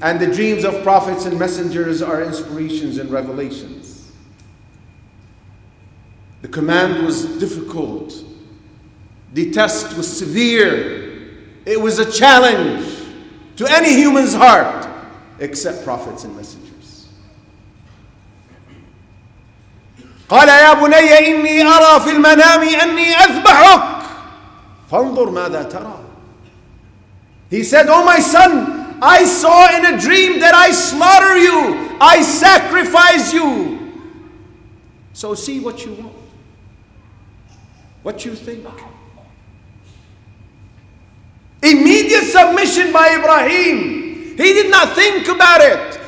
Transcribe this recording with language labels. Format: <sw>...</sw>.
<en>And the dreams of prophets and messengers are inspirations and revelations. The command was difficult. The test was severe. It was a challenge to any human's heart except prophets and messengers.</en> <ar>قال يا بني إني أرى في المنام أني أذبحك فانظر ماذا ترى.</ar> <en>He said, oh my son, I saw in a dream that I slaughter you, I sacrifice you. So see what you want, what you think. Immediate submission by Ibrahim. He did not think about it.</en>